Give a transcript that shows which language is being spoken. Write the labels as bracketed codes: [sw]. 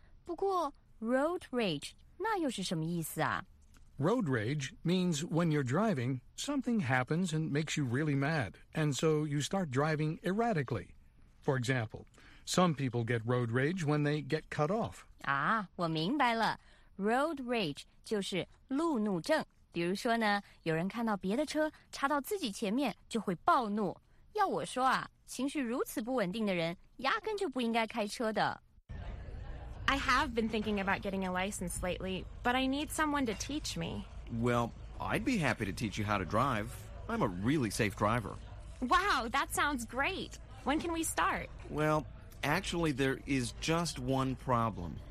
[zh] 不过 road rage... 那又是什么意思啊? [en] Road rage means when you're driving, something happens and makes you really mad, and so you start driving erratically. For example, some people get road rage when they get cut off. [zh] 我明白了。Road rage 就是路怒症。比如说呢，有人看到别的车插到自己前面就会暴怒。要我说啊，情绪如此不稳定的人压根就不应该开车的。 [en] I have been thinking about getting a license lately, but I need someone to teach me. Well, I'd be happy to teach you how to drive. I'm a really safe driver. Wow, that sounds great. When can we start? Well, actually, there is just one problem.